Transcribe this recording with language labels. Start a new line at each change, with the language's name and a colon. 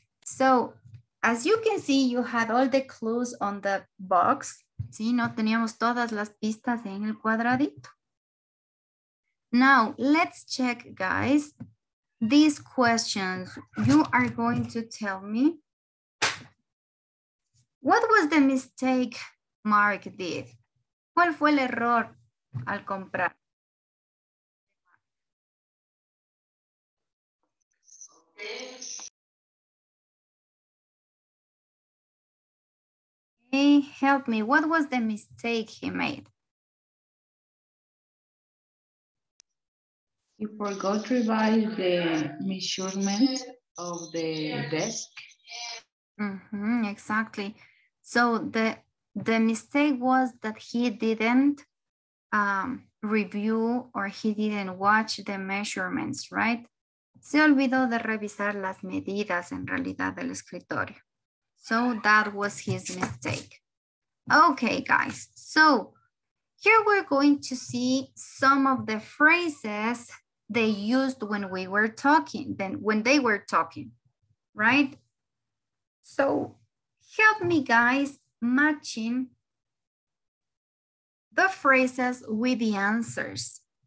English: So, as you can see, you had all the clues on the box.
Spanish: Sí, no teníamos todas las pistas en el cuadradito.
English: Now, let's check, guys, these questions. You are going to tell me what was the mistake Mark did?
Spanish: ¿Cuál fue el error al comprar?
English: Okay. Hey, help me. What was the mistake he made? He forgot to revise the measurement of the desk. Mm-hmm, exactly. So the mistake was that he didn't review or he didn't watch the measurements, right?
Spanish: Se olvidó de revisar las medidas en realidad del escritorio.
English: So that was his mistake. Okay, guys. So here we're going to see some of the phrases they used when we were talking, then when they were talking, right? So help me, guys, matching the phrases with the answers.